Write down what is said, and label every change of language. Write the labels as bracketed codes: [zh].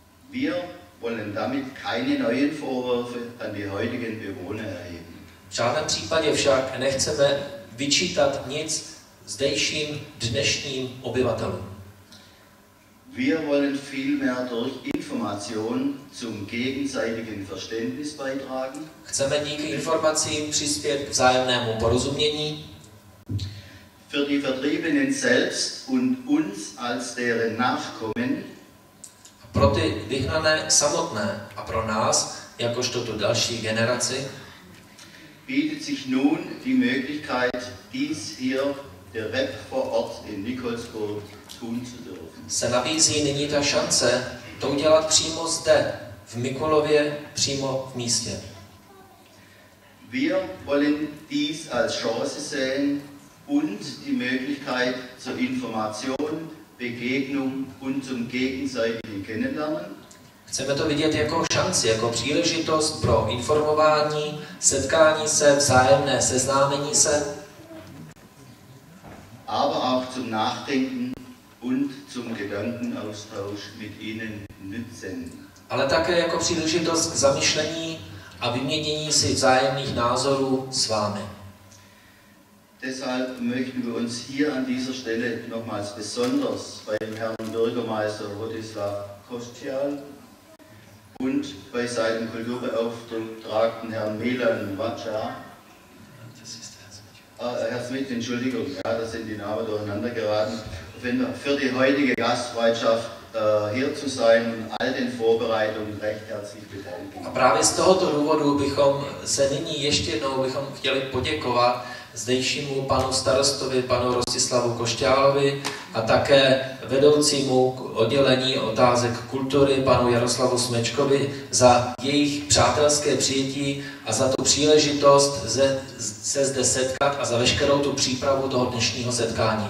[de] Wir wollen damit keine neuen Vorwürfe an die heutigen Bewohner erheben. [cs] V žádném případě však nechceme vyčítat nic zdejším dnešním obyvatelům. [de] Wir wollen vielmehr durch Information zum gegenseitigen Verständnis beitragen. [cs] Chceme díky informacím přispět k vzájemnému porozumění. [de] Für die Vertriebenen selbst und uns als deren Nachkommen. [cs] Pro ty vyhnané samotné a pro nás, jakožto tu další generaci, [de] bietet sich nun die Möglichkeit, dies hier der Web vor Ort in Nikolsburg tun zu dürfen. [cs] Se nabízí nyní ta šance to udělat přímo zde, v Mikulově, přímo v místě. [de] Wir wollen dies als Chance sehen und die Möglichkeit zur Information, Begegnung und zum gegenseitigen Kennenlernen. [cs] Chceme to vidět jako šanci, jako příležitost pro informování, setkání se, vzájemné seznámení se. [de] Aber auch zum Nachdenken und zum Gedankenaustausch mit Ihnen nützen. [cs] Ale také jako příležitost k zamyšlení a vyměnění si vzájemných názorů s vámi. [de] Deshalb möchten wir uns hier an dieser Stelle nochmals besonders bei dem Herrn Bürgermeister Rodislav Kostial und bei seinem Kulturbeauftragten Herrn Milan Vaca. Herr Smith, Entschuldigung, ja, da sind die Namen durcheinander geraten. Für die heutige Gastfreundschaft hier zu sein und all den Vorbereitungen recht herzlich bedanken. [cs] A právě z tohoto důvodu bychom se nyní ještě jednou bychom chtěli poděkovat zdejšímu panu starostovi, panu Rostislavu Košťálovi a také vedoucímu oddělení otázek kultury, panu Jaroslavu Smečkovi, za jejich přátelské přijetí a za tu příležitost se zde setkat a za veškerou tu přípravu toho dnešního setkání.